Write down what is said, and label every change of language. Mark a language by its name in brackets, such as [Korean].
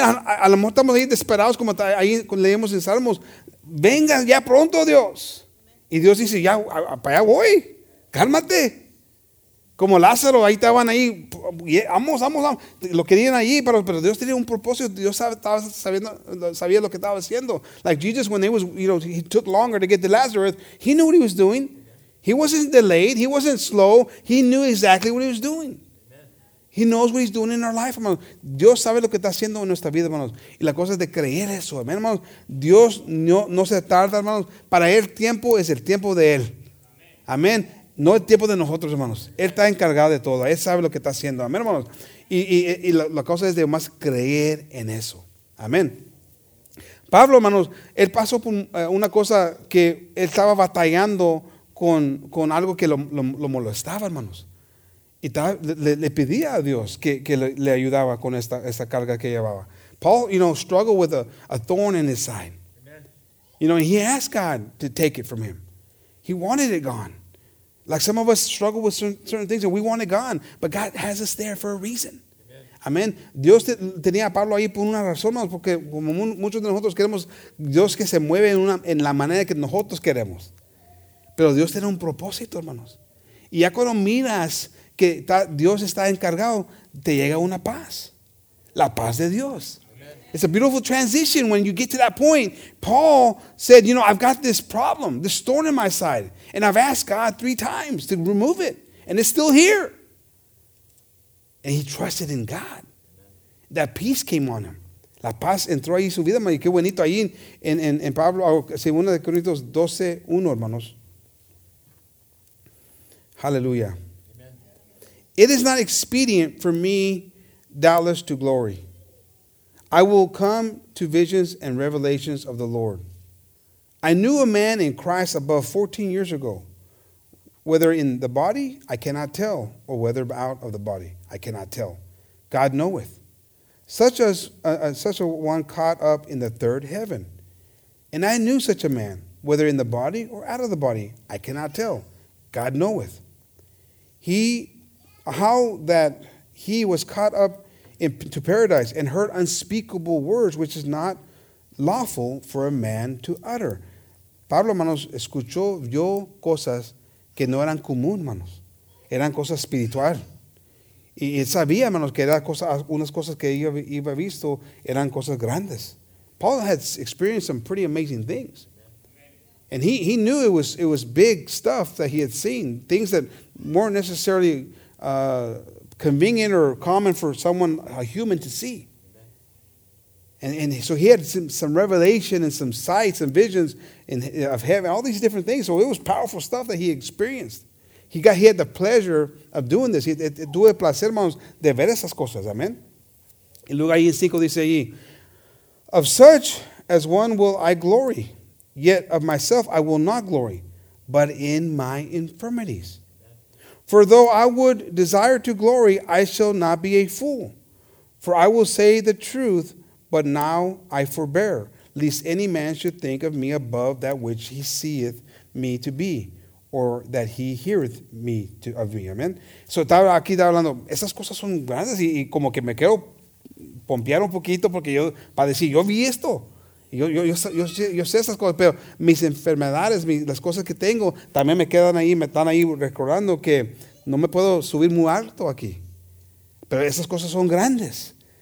[Spanish] A lo mejor estamos ahí desesperados, como ahí leemos en Salmos. Venga ya pronto, Dios. Y Dios dice, ya, para allá voy. Cálmate. Como Lázaro, ahí estaban ahí. Vamos. Lo querían ahí, pero Dios tenía un propósito. Dios sabía lo que estaba haciendo. [English] Like Jesus, when he was, he took longer to get to Lazarus, he knew what he was doing. He wasn't delayed. He wasn't slow. He knew exactly what he was doing. He knows what he's doing in our life, hermanos. [Spanish] Dios sabe lo que está haciendo en nuestra vida, hermanos. Y la cosa es de creer eso, hermanos. Dios no se tarda, hermanos. Para él, tiempo es el tiempo de él. Amén. No el tiempo de nosotros, hermanos. Él está encargado de todo. Él sabe lo que está haciendo. Amén, hermanos. Y la cosa es de más creer en eso. Amén. Pablo, hermanos, él pasó por una cosa que él estaba batallando con algo que lo molestaba, hermanos. Y le pedía a Dios que le ayudaba con esta carga que llevaba. [English] Paul, struggled with a thorn in his side. Amen. He asked God to take it from him. He wanted it gone. Like some of us struggle with certain things and we want it gone. But God has us there for a reason. [Spanish] Amén. Dios tenía a Pablo ahí por una razón, hermanos, porque como muchos de nosotros queremos Dios que se mueve en la manera que nosotros queremos. Pero Dios tiene un propósito, hermanos. Y ya cuando miras que Dios está encargado, te llega una paz. La paz de Dios. [English] Amen. It's a beautiful transition when you get to that point. Paul said, I've got this problem, this thorn in my side. And I've asked God 3 times to remove it. And it's still here. And he trusted in God. That peace came on him. [Spanish] La paz entró ahí en su vida. Qué bonito ahí en Pablo, según 2 Corintios 12:1, hermanos. [English] Hallelujah. Amen. It is not expedient for me, doubtless, to glory. I will come to visions and revelations of the Lord. I knew a man in Christ above 14 years ago. Whether in the body, I cannot tell, or whether out of the body, I cannot tell. God knoweth. Such a one caught up in the third heaven. And I knew such a man, whether in the body or out of the body, I cannot tell. God knoweth. How that he was caught up into paradise and heard unspeakable words, which is not lawful for a man to utter. [Spanish] Pablo, hermanos, escuchó, vio cosas que no eran comunes, hermanos. Eran cosas espirituales. Y él sabía, hermanos, que unas cosas que iba visto eran cosas grandes. [English] Paul had experienced some pretty amazing things. And he knew it was big stuff that he had seen, things that weren't necessarily convenient or common for someone, a human, to see. And so he had some revelation and some sights and visions of heaven, all these different things. So it was powerful stuff that he experienced. He had the pleasure of doing this. [Spanish] Tuve placer, hermanos, de ver esas cosas. [English] Amen. [Spanish] Y luego ahí en 5 dice ahí, [English] of such as one will I glory. Yet of myself I will not glory, but in my infirmities. For though I would desire to glory, I shall not be a fool. For I will say the truth, but now I forbear, lest any man should think of me above that which he seeth me to be, or that he heareth me of me. Amen. [Spanish] So aquí está hablando, esas cosas son grandes, y como que me quiero pompear un poquito porque yo, para decir, yo vi esto. Yo sé esas cosas, pero mis enfermedades, las cosas que tengo, también me quedan ahí, me están ahí recordando que no me puedo subir muy alto aquí. Pero esas cosas son grandes.